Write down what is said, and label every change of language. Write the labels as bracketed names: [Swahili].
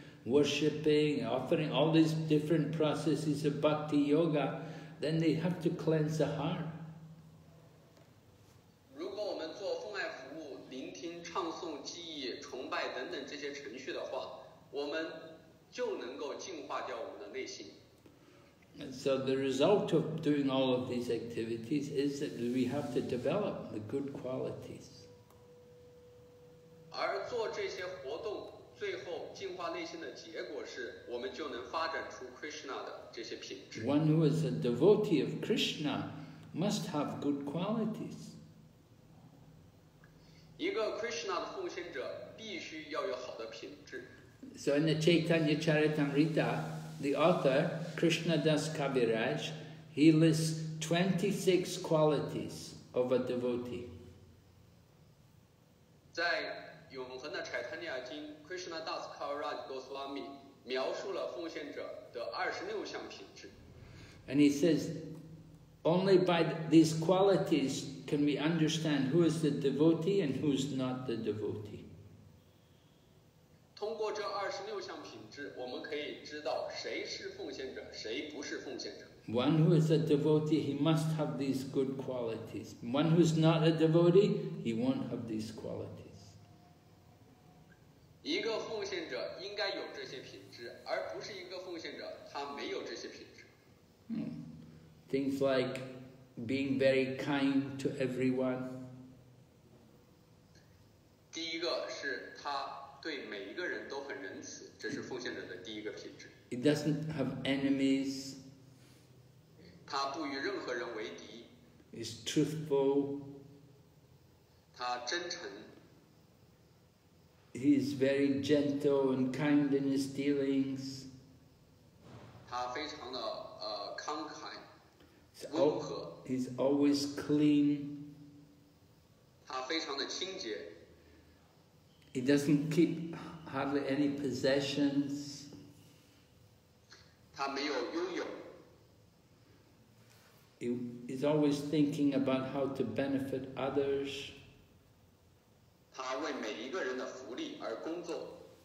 [English] Worshipping, offering all these different processes of bhakti yoga, then they have to cleanse the heart. [Chinese] 如果我们做奉爱服务、聆听、唱诵、记忆、崇拜等等这些程序的话，我们就能够净化掉我们的内心。 [English] So the result of doing all of these activities is that we have to develop the good qualities. [Chinese] 而做这些活动。最后净化内心的结果是我们就能发展出 Krishna 的这些品质。 [English] One who is a devotee of Krishna must have good qualities. [Chinese] 一个 Krishna 的奉献者必须要有好的品质。 [English] So in the Chaitanya Charitamrita, the author, Krishna Das Kaviraj, he lists 26 qualities of a devotee. [Chinese] 在永恒的柴坦尼亚经 Krishna Das Kaviraj Goswami 描述了奉献者的26项品质。 [English] And he says only by these qualities can we understand who is the devotee and who is not the devotee. [Chinese] 通过这26项品质，我们可以知道谁是奉献者，谁不是奉献者。 [English] One who is a devotee, he must have these good qualities. One who is not a devotee, he won't have these qualities. [Chinese] 一个奉献者应该有这些品质，而不是一个奉献者他没有这些品质。 [English] Things like being very kind to everyone. [Chinese] 第一个是他对每一个人都很仁慈，这是奉献者的第一个品质。 [English] He doesn't have enemies. [Chinese] 他不与任何人为敌。 [English] He's truthful. [Chinese] 他真诚。 [English] He's very gentle and kind in his dealings. [Chinese] 他非常的慷慨，温和。 [English] He's always clean. [Chinese] 他非常的清洁。 [English] He doesn't keep hardly any possessions. [Chinese] 他没有拥有。 [English] He's always thinking about how to benefit others. [Chinese] 他为每一个人的福利而工作。